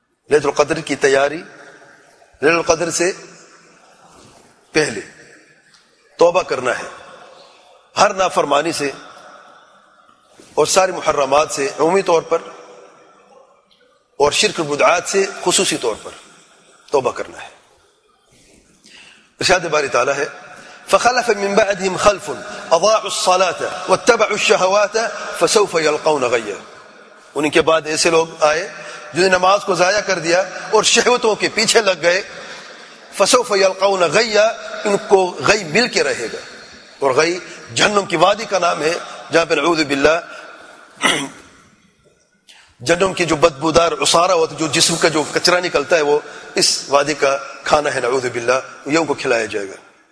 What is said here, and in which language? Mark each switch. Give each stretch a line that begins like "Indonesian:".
Urdu: لیلۃ القدر کی تیاری لیلۃ القدر سے پہلے توبہ کرنا ہے ہر نافرمانی سے اور ساری محرمات سے عمومی طور پر, اور شرک بدعات سے خصوصی طور پر توبہ کرنا ہے. ارشاد باری تعالیٰ ہے,
Arabic: فخلف من بعدهم خلف اضاعوا الصلاة واتبعوا الشهوات فسوف يلقون غيا.
Urdu: ان کے بعد ایسے لوگ آئے جنہوں نے نماز کو ضائع کر دیا اور شہوتوں کے پیچھے لگ گئے.
Arabic: فسوف يلقون غيا,
Urdu: ان کو غی مل کے رہے گا, اور غی جہنم کی وادی کا نام ہے جہاں پہ نعوذ باللہ جہنم کی جو بدبودار عصارہ ہوتا ہے, جو جسم کا جو کچرا نکلتا ہے, وہ اس وادی کا کھانا ہے نعوذ باللہ, یہ ان کو کھلایا جائے گا.